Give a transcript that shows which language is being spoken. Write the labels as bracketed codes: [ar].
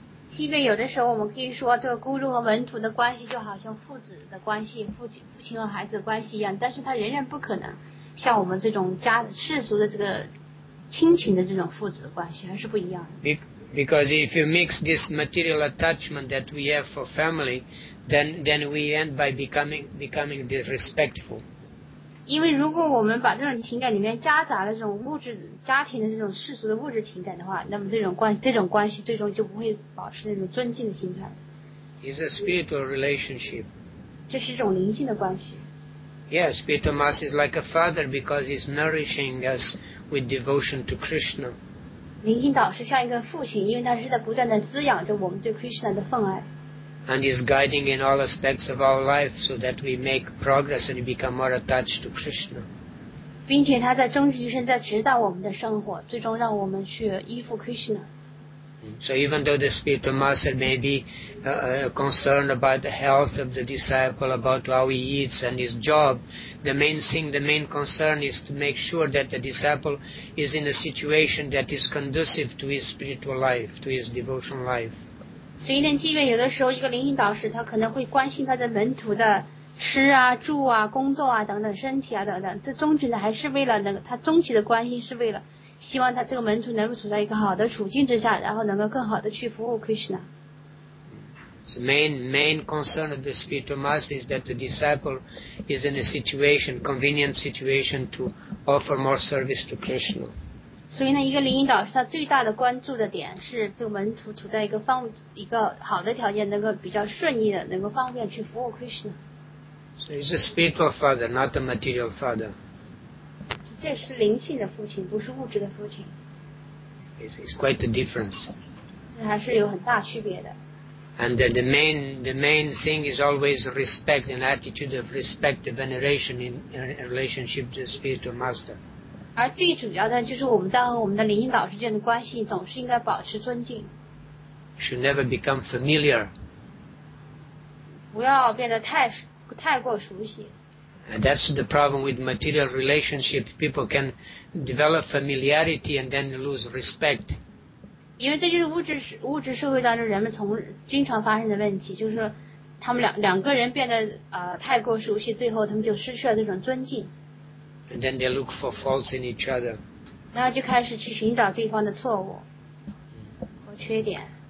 [zh] 即便有的时候我们可以说这个孤独和门徒的关系就好像父子的关系，父亲和孩子的关系一样，但是他仍然不可能像我们这种家世俗的这个亲情的这种父子的关系，还是不一样的。 [en] Because if you mix this material attachment that we have for family, then we end by becoming disrespectful. [zh] 因为如果我们把这种情感里面夹杂了这种物质家庭的这种世俗的物质情感的话，那么这种关系最终就不会保持那种尊敬的心态。 [en] It's a spiritual relationship. [zh] 这是一种灵性的关系。 [en] Yes, spiritual master is like a father because he's nourishing us with devotion to Krishna. [zh] 灵性导师像一个父亲，因为他是在不断的滋养着我们对 Krishna 的奉爱。 [en] And is guiding in all aspects of our life so that we make progress and become more attached to Krishna. [zh] 并且他在终其一生在指导我们的生活，最终让我们去依附 Krishna. [en] So even though the spiritual master may be concerned about the health of the disciple, about how he eats and his job, the main thing, the main concern is to make sure that the disciple is in a situation that is conducive to his spiritual life, to his devotional life. [zh] 虽然即便有的时候一个灵性导师他可能会关心他的门徒的吃啊、住啊、工作啊等等、身体啊等等，这终极呢还是为了那个他终极的关心是为了。希望他这个门徒能够处在一个好的处境之下，然后能够更好的去服务 Krishna. [en] The main concern of the spiritual master is that the disciple is in a situation, convenient situation to offer more service to Krishna. [zh] 所以呢，一个灵性导师他最大的关注的点是这个门徒处在一个好的条件，能够比较顺利的，能够方便去服务 Krishna. [en] So he's a spiritual father, not a material father. [zh] 这是灵性的父亲，不是物质的父亲。 [en] It's quite a difference. [zh] 这还是有很大区别的。 [en] And the main thing is always respect, an attitude of respect, veneration in relationship to the spiritual master. [zh] 而最主要的就是我们在和我们的灵性导师之间的关系总是应该保持尊敬。 [en] Should never become familiar. [zh] 不要变得太过熟悉。 [en] And that's the problem with material relationships. People can develop familiarity and then lose respect. [zh] 因为这就是物质社会当中人们从经常发生的问题，就是他们两个人变得太过熟悉，最后他们就失去了这种尊敬。 [en] And then they look for faults in each other. [zh] 然后就开始去寻找对方的错误和缺点。